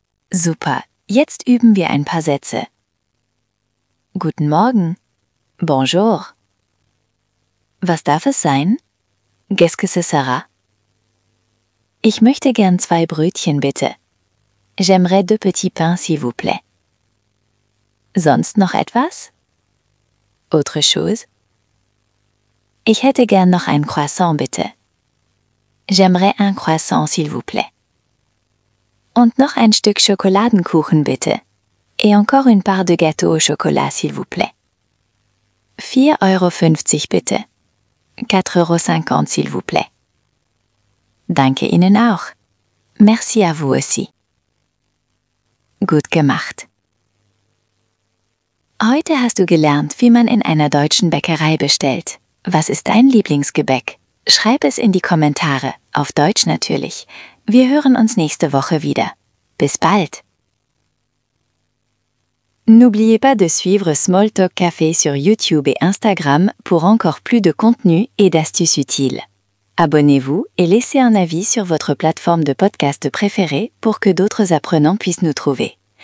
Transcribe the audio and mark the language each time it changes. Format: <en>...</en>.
<de>Super, jetzt üben wir ein paar Sätze. Guten Morgen.</de> <fr>Bonjour.</fr> <de>Was darf es sein?</de> <fr>Qu'est-ce que ce sera?</fr> <de>Ich möchte gern zwei Brötchen, bitte.</de> <fr>J'aimerais deux petits pains, s'il vous plaît.</fr> <de>Sonst noch etwas?</de> <fr>Autre chose?</fr> <de>Ich hätte gern noch ein Croissant, bitte.</de> <fr>J'aimerais un croissant, s'il vous plaît.</fr> <de>Und noch ein Stück Schokoladenkuchen, bitte.</de> <fr>Et encore une part de gâteau au chocolat, s'il vous plaît.</fr> <de>4,50 € bitte.</de> <fr>4,50 €, s'il vous plaît.</fr> <de>Danke Ihnen auch.</de> <fr>Merci à vous aussi.</fr> <de>Gut gemacht. Heute hast du gelernt, wie man in einer deutschen Bäckerei bestellt. Was ist dein Lieblingsgebäck? Schreib es in die Kommentare, auf Deutsch natürlich. Wir hören uns nächste Woche wieder. Bis bald.</de> <fr>N'oubliez pas de suivre Small Talk Café sur YouTube et Instagram pour encore plus de contenu et d'astuces utiles. Abonnez-vous et laissez un avis sur votre plateforme de podcast préférée pour que d'autres apprenants puissent nous trouver.</fr>